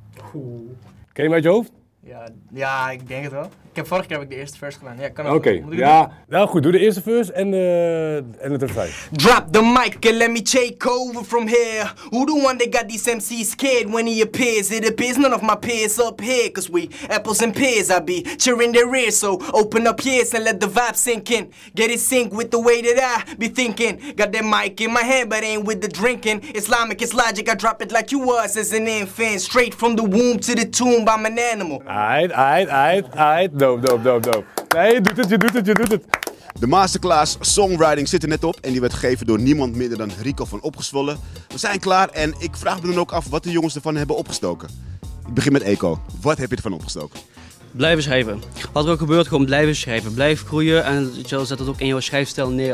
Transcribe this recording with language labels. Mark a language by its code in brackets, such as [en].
[nl] Cool. Ken je hem uit je hoofd? Ja, ik denk het wel. Vorige keer heb ik de eerste verse gedaan. Ja, kan ook. Oké, okay, ja. Doen? Nou goed, doe de eerste verse en het refrein. [en] Drop the mic and let me take over from here. Who the one that got these MCs scared when he appears? It appears none of my peers up here. Cause we apples and pears, I be cheering their ears. So open up ears and let the vibe sink in. Get it sync with the way that I be thinking. Got that mic in my hand, but ain't with the drinking. Islamic, it's logic, I drop it like you was as an infant. Straight from the womb to the tomb, I'm an animal. Aight. Dope. [nl] Nee, je doet het. De masterclass songwriting zit er net op en die werd gegeven door niemand minder dan Rico van Opgezwollen. We zijn klaar en ik vraag me dan ook af wat de jongens ervan hebben opgestoken. Ik begin met Eko. Wat heb je ervan opgestoken? Blijven schrijven. Wat er ook gebeurt, gewoon blijven schrijven. Blijf groeien en zet dat ook in jouw schrijfstijl neer.